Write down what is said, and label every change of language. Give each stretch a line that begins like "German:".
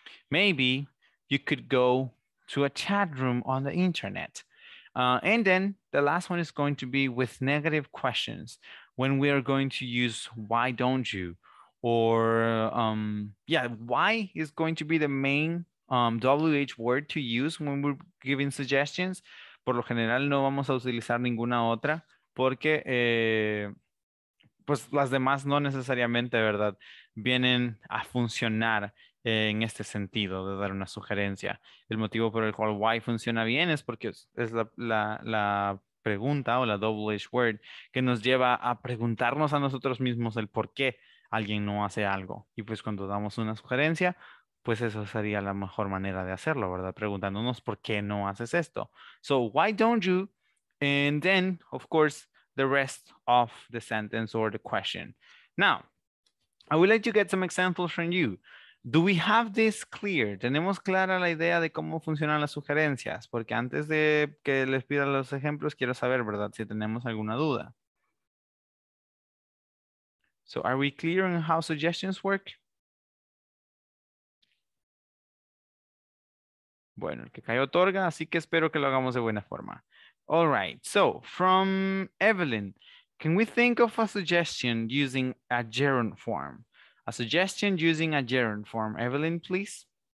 English: Maybe you could go to a chat room on the internet. And then the last one is going to be with negative questions, when we are going to use why don't you, or why is going to be the main WH word to use when we're giving suggestions.
Spanish: Por lo general no vamos a utilizar ninguna otra porque pues las demás no necesariamente, ¿verdad?, vienen a funcionar en este sentido de dar una sugerencia. El motivo por el cual why funciona bien es porque es la pregunta o la WH word que nos lleva a preguntarnos a nosotros mismos el por qué alguien no hace algo. Y pues cuando damos una sugerencia, pues eso sería la mejor manera de hacerlo, ¿verdad? Preguntándonos por qué no haces esto.
English: So, why don't you? And then, of course, the rest of the sentence or the question. Now, I will let you get some examples from you. Do we have this clear?
Spanish: ¿Tenemos clara la idea de cómo funcionan las sugerencias? Porque antes de que les pida los ejemplos, quiero saber, ¿verdad?, si tenemos alguna duda.
English: So, are we clear on how suggestions work?
Spanish: Bueno, el que cae otorga, así que espero que lo hagamos de buena forma.
English: All right, so, from Evelyn, can we think of a suggestion using a gerund form? A suggestion using a gerund form. Evelyn, please.